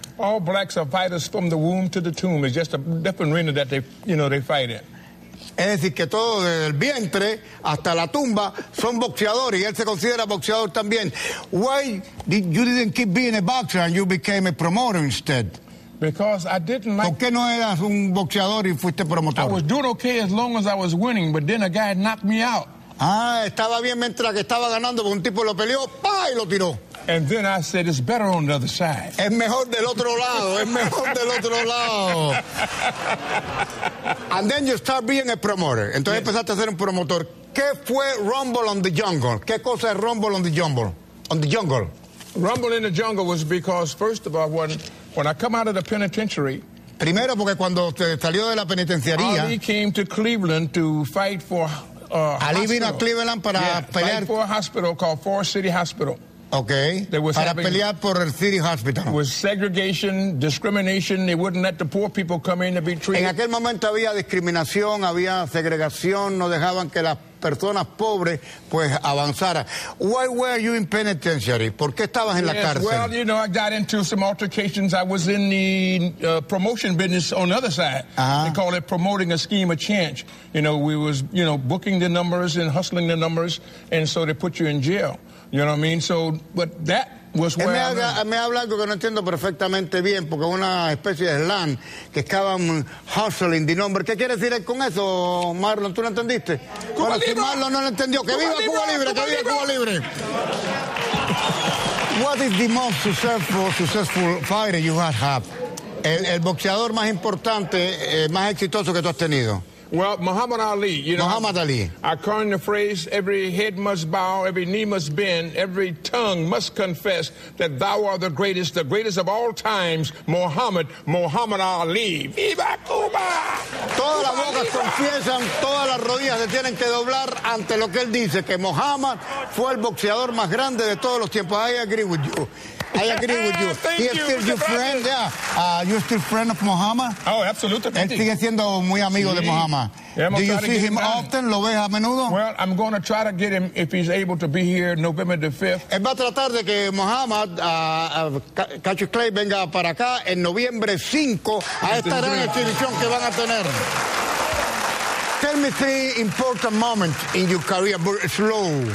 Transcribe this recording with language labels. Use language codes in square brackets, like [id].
[en] All blacks are fighters from the womb to the tomb. It's just a different arena that they, you know, they fight in. [es] Es decir, que todo desde el vientre hasta la tumba son boxeadores, y él se considera boxeador también. [en] Why did you didn't keep being a boxer and you became a promoter instead? Because I didn't like... [es] ¿Por qué no eras un boxeador y fuiste promotor? [en] I was doing okay as long as I was winning, but then a guy knocked me out. [es] Ah, estaba bien mientras que estaba ganando, pero un tipo lo peleó, ¡pa! Y lo tiró. [en] And then I said, it's better on the other side. [es] Es mejor del otro lado, es mejor del otro lado. [en] And then you start being a promoter. [es] Entonces yes. Empezaste a ser un promotor. ¿Qué fue Rumble on the Jungle? ¿Qué cosa es Rumble on the Jungle? On the Jungle. [en] Rumble in the Jungle was because, first of all, when I come out of the penitentiary... [es] Primero porque cuando te salió de la penitenciaría... [en] Ali came to Cleveland to fight for... [es] Ali vino a Cleveland para pelear... [en] Fight for a hospital called Forest City Hospital. Okay. They was [es] para pelear por el City Hospital. [en] Was segregation, discrimination. They wouldn't let the poor people come in to be treated. [es] En aquel momento había discriminación, había segregación. No dejaban que las personas pobres pues avanzara. [en] Why were you in penitentiary? [es] ¿Por qué estabas en la cárcel? [en] Well, you know, I got into some altercations. I was in the promotion business on the other side. Uh-huh. They call it promoting a scheme of chance. You know, we was, you know, booking the numbers and hustling the numbers, and so they put you in jail. You know what I mean? So, but that was where [es] me habla algo que no entiendo perfectamente bien, porque una especie de slang que estaban [en] hustling the number. [es] ¿Qué quiere decir con eso, Marlon? ¿Tú lo entendiste? Cuba Libre. Si Marlon no lo entendió, que viva Cuba Libre, que viva Cuba Libre. [en] What is the most successful fighter you have had? [es] El boxeador más importante, más exitoso que tú has tenido. [en] Well, Muhammad Ali, you know, Muhammad Ali. I coined the phrase, every head must bow, every knee must bend, every tongue must confess that thou art the greatest of all times, Muhammad Ali. [es] ¡Viva Cuba! Todas las bocas confiesan, todas las rodillas se tienen que doblar ante lo que él dice, que Muhammad fue el boxeador más grande de todos los tiempos. [en] I agree with you. I agree with you. Thank he is still you, your friend, brother. Yeah. You're still friend of Muhammad? Oh, absolutely. [es] Él sigue siendo muy amigo sí. de Muhammad. [en] Yeah, do you see him often? [es] ¿Lo ves a menudo? [en] Well, I'm going to try to get him if he's able to be here November the 5th. [es] Él va a tratar de que Muhammad, Cachi Clay, venga para acá en noviembre 5 a esta gran exhibición que van a tener. [en] Tell me three important moments in your career, but slow.